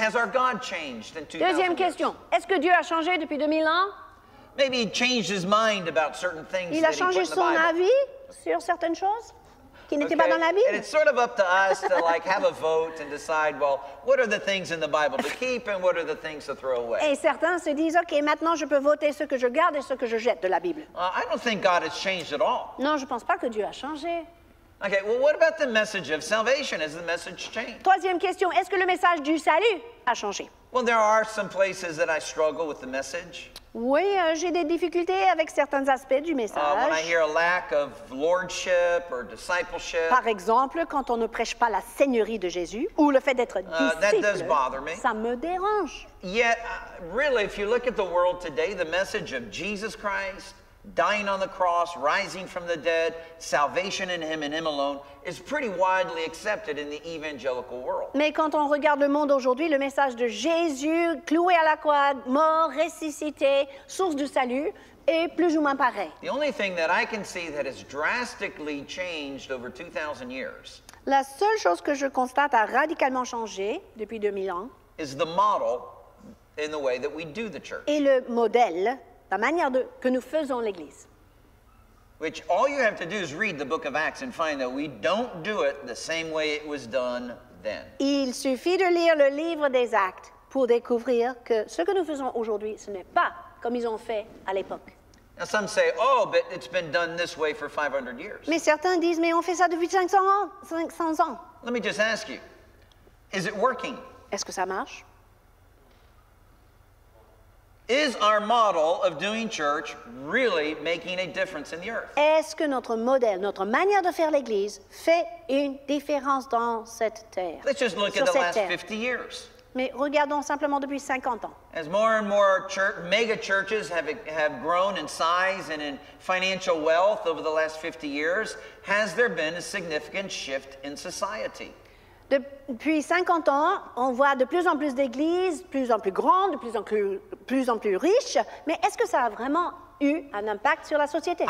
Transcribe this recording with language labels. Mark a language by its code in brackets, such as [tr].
[en] Has our God changed in 2000 [fr] Deuxième question. [en] Years? [fr] Est-ce que Dieu a changé depuis 2000 ans? [en] Maybe he changed his mind about certain things [fr] il [en] that [fr] a changé [en] he put [fr] son [en] in the Bible. [fr] Avis sur certaines choses qui n'étaient pas dans la Bible. [en] And it's sort of up to us to like have a vote and decide, well, what are the things in the Bible to keep and what are the things to throw away? [fr] Et certains se disent, OK, maintenant je peux voter ce que je garde et ce que je jette de la Bible. [en] I don't think God has changed at all. [fr] Non, je pense pas que Dieu a changé. [en] Okay, well, what about the message of salvation? Has the message changed? [fr] Troisième question, est-ce que le message du salut a changé? [en] Well, there are some places that I struggle with the message. [fr] Oui, j'ai des difficultés avec certains aspects du message. [en] When I hear a lack of lordship or discipleship. [fr] Par exemple, quand on ne prêche pas la seigneurie de Jésus ou le fait d'être disciple, [en] that does bother me. [fr] Ça me dérange. [en] Yet, really, if you look at the world today, the message of Jesus Christ, dying on the cross, rising from the dead, salvation in him and him alone is pretty widely accepted in the evangelical world. [fr] Mais quand on regarde le monde aujourd'hui, le message de Jésus cloué à la croix, mort, ressuscité, source de salut est plus ou moins pareil. [en] The only thing that I can see that has drastically changed over 2000 years. [fr] La seule chose que je constate a radicalement changé depuis 2000 ans [en] is the model in the way that we do the church. [fr] Et le modèle la manière de, que nous faisons l'Église. [en] Which all you have to do is read the book of Acts and find that we don't do it the same way it was done then. [fr] Il suffit de lire le livre des Actes pour découvrir que ce que nous faisons aujourd'hui, ce n'est pas comme ils ont fait à l'époque. [en] Now some say, oh, but it's been done this way for 500 years. [fr] Mais certains disent, mais on fait ça depuis 500 ans. 500 ans. [en] Let me just ask you, is it working? [fr] Est-ce que ça marche? [en] Is our model of doing church really making a difference in the earth? [fr] Est-ce que notre modèle, notre manière de faire l'Église, fait une différence dans cette terre? [en] Let's just look at the last 50 years. [fr] Mais regardons simplement depuis 50 ans. [en] As more and more mega churches have grown in size and in financial wealth over the last 50 years, has there been a significant shift in society? [fr] Depuis 50 ans, on voit de plus en plus d'églises, de plus en plus grandes, de plus en plus riches. Mais est-ce que ça a vraiment eu un impact sur la société?